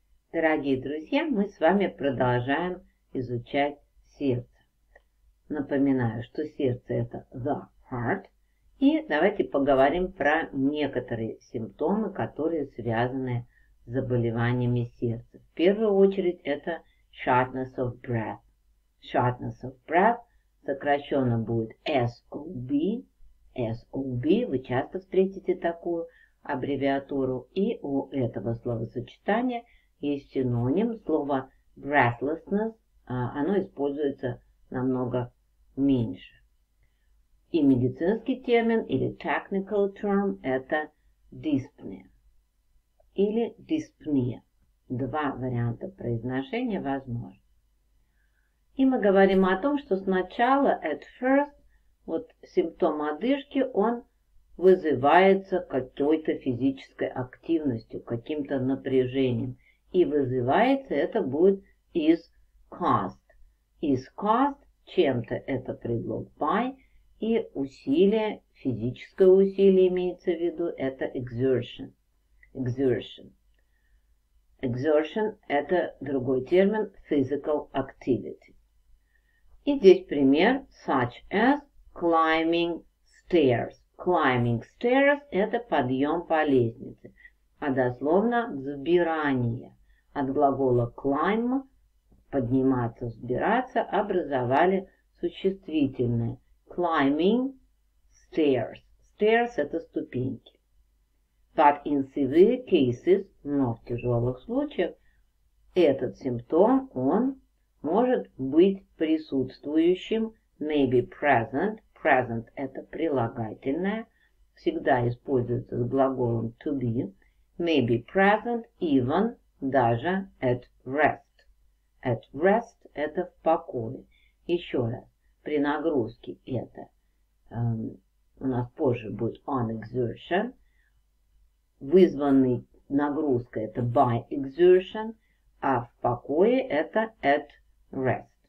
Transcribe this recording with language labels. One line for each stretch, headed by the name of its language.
Russian: Дорогие друзья, мы с вами продолжаем изучать сердце. Напоминаю, что сердце – это the heart. И давайте поговорим про некоторые симптомы, которые связаны с заболеваниями сердца. В первую очередь это
English: shortness of breath. Shortness of breath
Russian: сокращенно будет
English: SOB.
Russian: SOB, вы часто встретите такую аббревиатуру. И у этого словосочетания – есть синоним, слово breathlessness, оно используется намного меньше. И медицинский термин или technical term это dyspnea или dyspnea. Два варианта произношения возможны. И мы говорим о том, что сначала,
English: at first,
Russian: вот симптом одышки, он вызывается какой-то физической активностью, каким-то напряжением. И вызывается это будет
English: is caused.
Russian: Is caused чем-то это предлог by. И усилие, физическое усилие имеется в виду, это exertion. Exertion. Exertion это другой термин physical activity. И здесь пример
English: such as climbing stairs.
Russian: Climbing stairs это подъем по лестнице. А дословно взбирание. От глагола climb, подниматься, взбираться, образовали существительное.
English: Climbing stairs.
Russian: Stairs – это ступеньки.
English: But in severe cases,
Russian: но в тяжелых случаях, этот симптом, он может быть присутствующим,
English: may be present.
Russian: Present – это прилагательное. Всегда используется с глаголом to be.
English: May be present, even – даже at rest.
Russian: At rest – это в покое. Еще раз, при нагрузке это у нас позже будет
English: on exertion.
Russian: Вызванный нагрузкой – это
English: by exertion,
Russian: а в покое – это
English: at rest.